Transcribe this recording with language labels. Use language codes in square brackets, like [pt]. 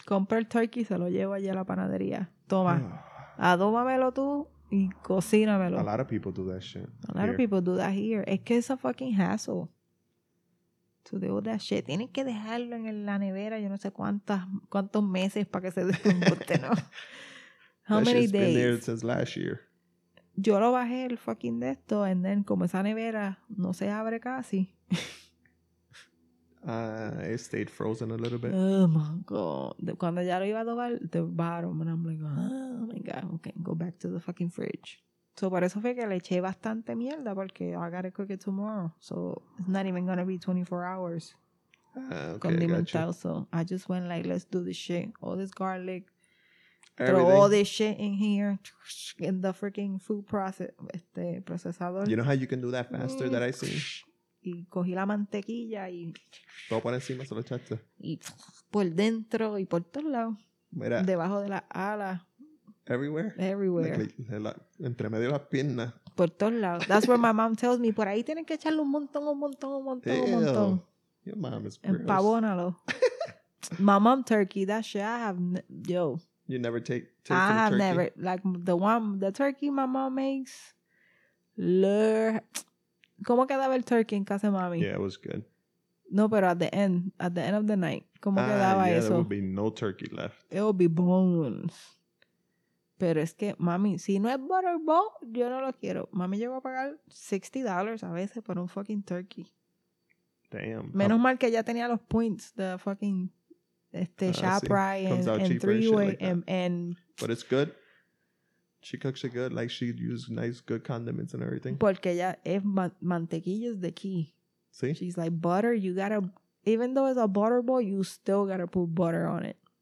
[es] Compré el turkey y se lo llevo allá a la panadería. Toma. Adómamelo tú y cocínamelo. [en] A lot of people do that shit. A lot of people do that here. Es que it's a fucking hassle. To do that shit. [es] Tienen que dejarlo en la nevera yo no sé cuántos meses para que se desmonte, ¿no? [en] How that many days? Been there since last year. [es] Yo lo bajé el fucking de esto, and then como esa nevera no se abre casi. [en] It stayed frozen a little bit. Oh my God. Cuando ya lo iba a doblar, the bottom, and I'm like, oh my God, okay, go back to the fucking fridge. [es] So por eso fue que le eché bastante mierda, porque I gotta cook it tomorrow. [en] So it's not even gonna be 24 hours. [es] Condimental. [en] So I just went like, let's do this shit. All this garlic. Everything. Throw all this shit in here in the freaking food processador. You know how you can do that faster that I see? [es] Y cogí la mantequilla y... Todo por encima se lo echaste. Y por dentro y por todos lados. Mira. Debajo de las alas. [en] Everywhere? Everywhere. [es] Entre medio de las piernas. Por todos lados. [en] That's where my mom tells me. [es] Por ahí tienen que echarle un montón. [en] Ew. Your mom is gross. [es] Empavónalo. [en] My mom turkey, that shit I have... [es] Yo... [en] You never take the turkey? I have never. Like, the turkey my mom makes. [es] ¿Cómo quedaba el turkey en casa de mami? [en] Yeah, it was good. [es] No, pero at the end of the night. ¿Cómo quedaba eso? [en] There would be no turkey left. [es] It would be bones. Pero es que, mami, si no es butterball, yo no lo quiero. Mami llegó a pagar $60 a veces por un fucking turkey. [en] Damn. [es] Menos mal que ya tenía los points, the fucking... [en] ShopRite and three-way and but it's good. She cooks it good. Like, she uses nice, good condiments and everything. [es] Porque ella es mantequilla is the key. [en] See? She's like, butter, you gotta, even though it's a butter bowl, you still gotta put butter on it.